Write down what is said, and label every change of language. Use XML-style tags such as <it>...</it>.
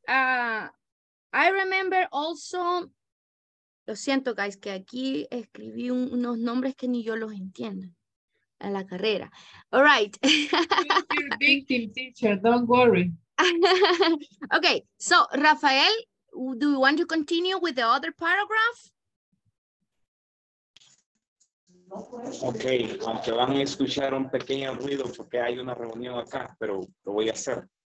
<en>I remember also,</en> <es>lo siento, guys, que aquí escribí unos nombres que ni yo los entiendo en la carrera.</es> <en>All right. Victim, teacher, don't worry. Okay, so, Rafael, do you want to continue with the other paragraph?</en> <es>Okay, aunque van a escuchar un pequeño ruido porque hay una reunión acá, pero lo voy a hacer.</es>